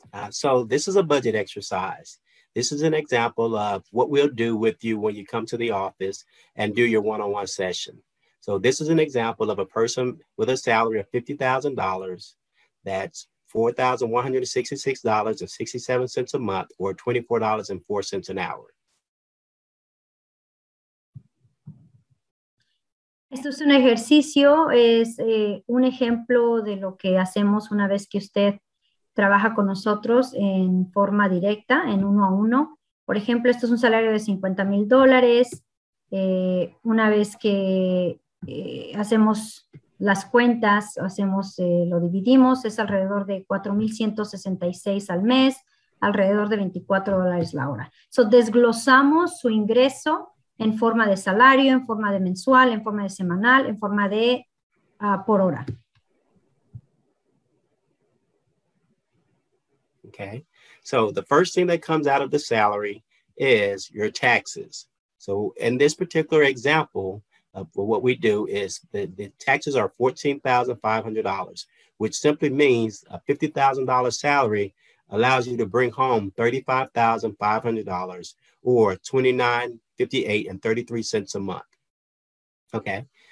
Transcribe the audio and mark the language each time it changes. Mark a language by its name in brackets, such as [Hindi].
[English] So this is a budget exercise. This is an example of what we'll do with you when you come to the office and do your one-on-one session. So this is an example of a person with a salary of $50,000, that's $4,166.67 a month, or $24.04 an hour. [Spanish] Esto es un ejercicio, es un ejemplo de lo que hacemos una vez que usted trabaja con nosotros en forma directa, en uno a uno. Por ejemplo, esto es un salario de 50 mil dólares. Una vez que hacemos las cuentas, lo dividimos, es alrededor de 4,166 al mes, alrededor de $24 la hora. So, desglosamos su ingreso en forma de salario, en forma de mensual, en forma de semanal, en forma de por hora. [English] Okay. So the first thing that comes out of the salary is your taxes. So in this particular example, what we do is the taxes are $14,500, which simply means a $50,000 salary allows you to bring home $35,500 or $29.58 and 33 cents a month. Okay.